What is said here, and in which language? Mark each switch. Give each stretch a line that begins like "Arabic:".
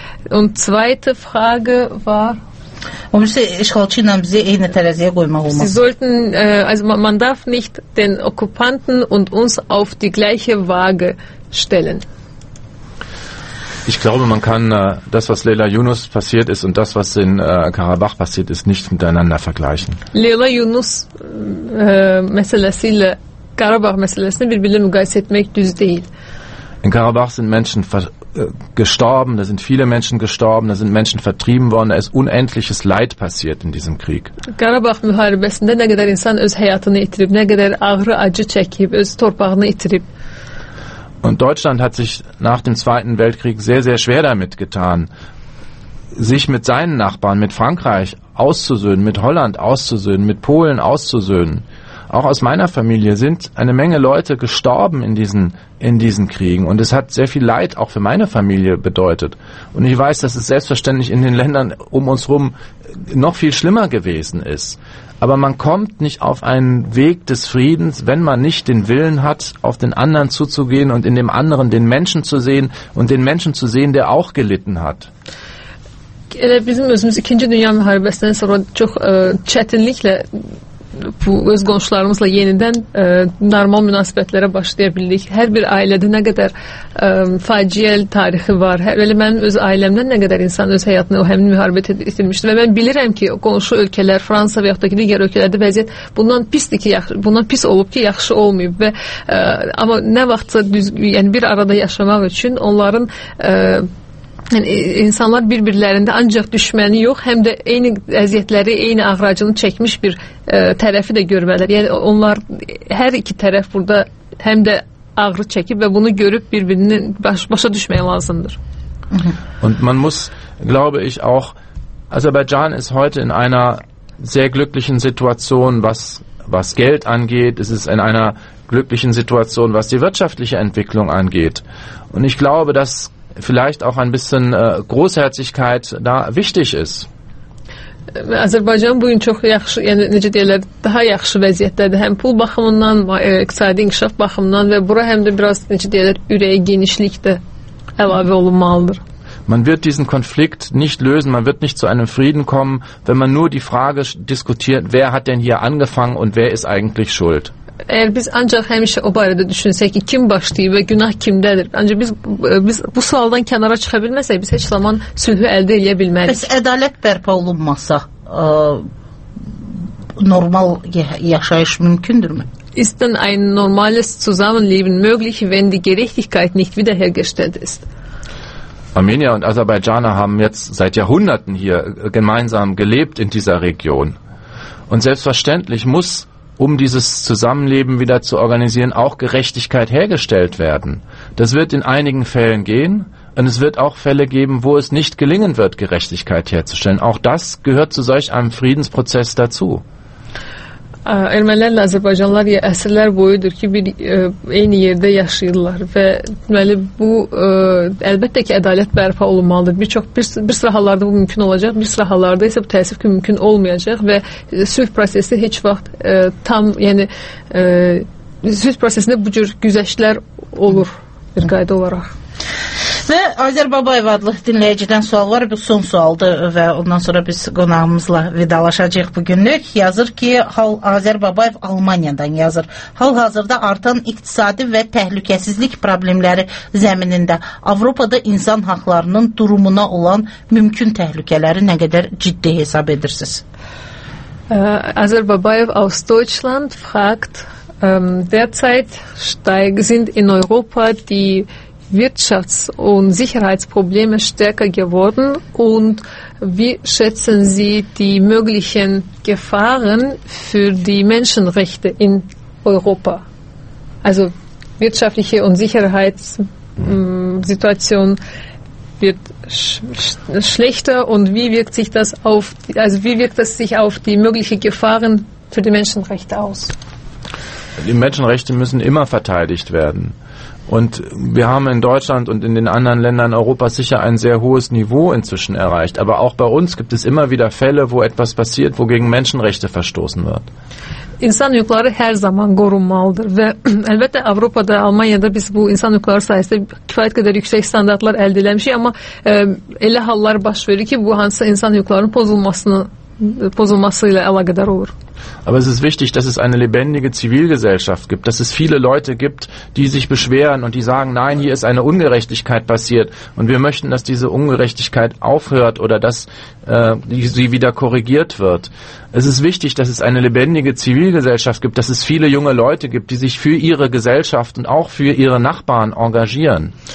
German: Und zweite Frage war, Sie sollten, also man darf nicht den Okkupanten und uns auf die gleiche Waage stellen. Ich glaube, man kann das, was Leyla Yunus passiert ist und das, was in Karabach passiert ist, nicht miteinander vergleichen.
Turkish: Leyla Yunus meselesiyle Karabach meselesini birbirine mukayese etmek düz değil.
German: In Karabach sind Menschen gestorben, da sind viele Menschen gestorben, da sind Menschen vertrieben worden, da ist unendliches Leid passiert in diesem Krieg.
Azerbaijani: Karabach müharibəsində nə qədər insan öz həyatını itirib, nə qədər ağrı acı çəkib, öz torpağını itirib.
German: Und Deutschland hat sich nach dem Zweiten Weltkrieg sehr, sehr schwer damit getan, sich mit seinen Nachbarn, mit Frankreich auszusöhnen, mit Holland auszusöhnen, mit Polen auszusöhnen. Auch aus meiner Familie sind eine Menge Leute gestorben in diesen Kriegen. Und es hat sehr viel Leid auch für meine Familie bedeutet. Und ich weiß, dass es selbstverständlich in den Ländern um uns herum noch viel schlimmer gewesen ist. Aber man kommt nicht auf einen Weg des Friedens, wenn man nicht den Willen hat, auf den anderen zuzugehen und in dem anderen den Menschen zu sehen und den Menschen zu sehen, der auch gelitten hat.
Azerbaijani: Elə bizim özümüz ikinci dünya müharibəsindən sonra çox çətinliklə bu öz qonşularımızla yenidən normal münasibətlərə başlaya bildik. Hər bir ailədə nə qədər faciəli tarixi var. Elə mənim öz ailəmdən nə qədər insan öz həyatını o həmin müharibət etdirmişdi. Və mən bilirəm ki, qonşu ölkələr, Fransa və yaxud da ki, digər ölkələrdə vəziyyət bundan pisdir ki, bundan pis olub ki, yaxşı olmayıb. Və amma nə vaxtsa yəni bir arada yaşamaq üçün onların yəni, insanlar bir-birlərində ancaq düşməni yox, həm də eyni əziyyətləri, eyni ağır acını çəkmiş bir tərəfi də görmələr. Yəni, onlar, hər iki tərəf burada həm də
Turkish: ağrı çekip ve bunu görüp birbirinin başa düşmeye lazımdır.
German: Und man muss, glaube ich, auch Aserbaidschan ist heute in einer sehr glücklichen Situation, was Geld angeht. Es ist in einer glücklichen Situation, was die wirtschaftliche Entwicklung angeht. Und ich glaube, dass vielleicht auch ein bisschen Großherzigkeit da wichtig ist.
Azerbaijani: Azərbaycan bu gün çox yaxşı, yəni necə deyirlər, daha yaxşı vəziyyətdədir. Həm pul baxımından, iqtisadi inkişaf baxımından və bura həm də biraz necə deyirlər, ürək genişlik də əlavə olunmalıdır.
German: Man wird diesen Konflikt nicht lösen, man wird nicht zu einem Frieden kommen, wenn man nur die Frage diskutiert, wer hat denn hier angefangen und wer ist eigentlich schuld.
Azerbaijani: Əgər biz ancaq həmişə o barədə düşünsək ki, kim başlayıb və günah kimdədir? Ancaq biz bu sualdan kənara çıxa bilməsək, biz heç zaman sülhü əldə edə bilmərik. Bəs ədalət bərpa olunmasa, normal yaşayış mümkündürmü?
German: Ist denn ein normales Zusammenleben möglich, wenn die Gerechtigkeit nicht wiederhergestellt ist? Armenier und Aserbaidschaner haben jetzt seit Jahrhunderten hier gemeinsam gelebt in dieser Region. Und selbstverständlich muss, um dieses Zusammenleben wieder zu organisieren, auch Gerechtigkeit hergestellt werden. Das wird in einigen Fällen gehen. Und es wird auch Fälle geben, wo es nicht gelingen wird, Gerechtigkeit herzustellen. Auch das gehört zu solch einem Friedensprozess dazu.
Azerbaijani: Ermənilərlə Azərbaycanlılar ya əsrlər boyudur ki, bir eyni yerdə yaşayırlar və deməli, bu əlbəttə ki, ədalət bərpa olunmalıdır. Bir çox bir sıra hallarda bu mümkün olacaq, bir sıra hallarda isə bu təəssüf ki, mümkün olmayacaq və sülh prosesi heç vaxt tam, yəni sülh prosesində bu cür güzəştlər olur bir qayda olaraq. Və Azər Babayev adlı dinləyicidən sual var, bu son sualdır və ondan sonra biz qonağımızla vidalaşacaq bugünlük. Yazır ki, Azər Babayev Almaniyadan yazır. Hal-hazırda artan iqtisadi və təhlükəsizlik problemləri zəminində Avropada insan haqlarının durumuna olan mümkün təhlükələri nə qədər ciddi hesab edirsiniz?
German: Azər Babayev aus Deutschland fragt, derzeit steig sind in Europa die Wirtschafts- und Sicherheitsprobleme stärker geworden und wie schätzen Sie die möglichen Gefahren für die Menschenrechte in Europa? Also wirtschaftliche und Sicherheitssituation wird schlechter und wie wirkt sich das auf, also wie wirkt das sich auf die möglichen Gefahren für die Menschenrechte aus? Die Menschenrechte müssen immer verteidigt werden. Und wir haben in Deutschland und in den anderen Ländern Europas sicher ein sehr hohes Niveau inzwischen erreicht. Aber auch bei uns gibt es immer wieder Fälle, wo etwas passiert, wo gegen Menschenrechte verstoßen wird.
Azerbaijani: İnsan hüquqları her zaman qorunmalıdır və əlbəttə Avropada, Almaniyada biz bu insan hüquqları sayəsində kifayət qədər yüksək standartlar əldə etmişik, amma elə hallar baş verir ki, bu hansısa insan hüquqlarının pozulması ilə əlaqədar olur.
German: Aber es ist wichtig, dass es eine lebendige Zivilgesellschaft gibt, dass es viele Leute gibt, die sich beschweren und die sagen, nein, hier ist eine Ungerechtigkeit passiert und wir möchten, dass diese Ungerechtigkeit aufhört oder dass sie wieder korrigiert wird. Es ist wichtig, dass es eine lebendige Zivilgesellschaft gibt, dass es viele junge Leute gibt, die sich für ihre Gesellschaft und auch für ihre Nachbarn engagieren.